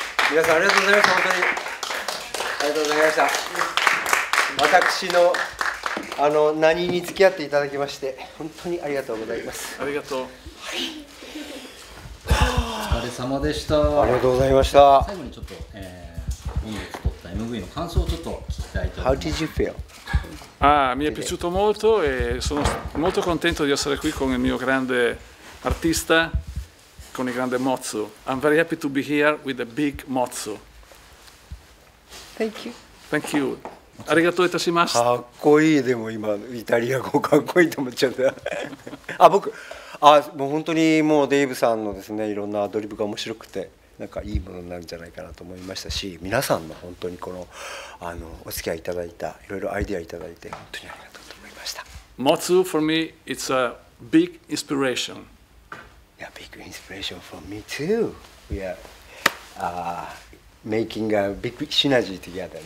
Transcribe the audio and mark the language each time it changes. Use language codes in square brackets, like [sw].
[ja] 皆さんありがとうございました、本当に。ありがとうございました。私の、あの、何に付き合っていただきまして、本当にありがとうございます。ありがとう。お疲れ様でした。ありがとうございました。最後にちょっと、MV の感想をちょっと聞きたいと思います。 [en] How did you feel? [it] Ah, mi è piaciuto molto e sono molto contento di essere qui con il mio grande artista, con il grande Mozu. [en] I'm very happy to be here with the big Mozu. Thank you. Thank you. [ja] Arigato itashimasu. かっこいい、でも今イタリア語かっこいいと思っちゃった。あ、僕、あ、もう本当にもうデイブさんのですね、いろんなアドリブが面白くて。なんかいいものになるんじゃないかなと思いましたし、皆さんの本当にこの、あの、お付き合いいただいた、いろいろアイデアいただいて本当にありがとうと思いました。 [en] Motsu for me it's a big inspiration. Yeah, big inspiration for me too. We are making a big synergy together.